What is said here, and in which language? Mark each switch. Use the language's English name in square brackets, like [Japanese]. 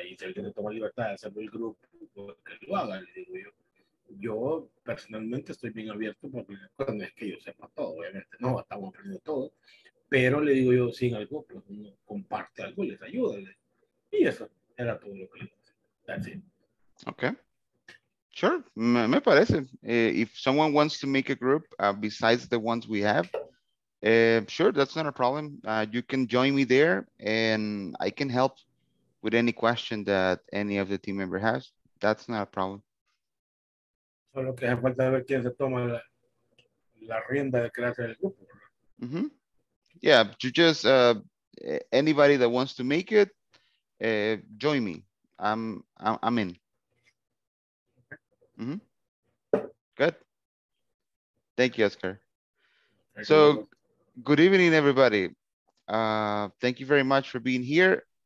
[Spanish] Y si alguien se toma libertad de hacer el grupo, pues que lo haga, le digo yo. Yo personalmente estoy bien abierto porque pues, no es que yo sepa todo, obviamente no, estamos aprendiendo todo, pero le digo yo, sin algo, pues uno comparte algo y les ayuda. Y eso era todo lo que le dije. [English] That's it. Okay. Sure, [Spanish] me parece. [English] If someone wants to make a group besides the ones we have, sure, that's not a problem. You can join me there and I can help with any question that any of the team member has. That's not a problem. [Spanish] Solo que hace falta ver quién se toma la rienda de clase del grupo. Mm-hmm. [English] Yeah, you just, anybody that wants to make it, join me. I'm in. Mm-hmm. Good. Thank you, Oscar. So, good evening, everybody. Thank you very much for being here.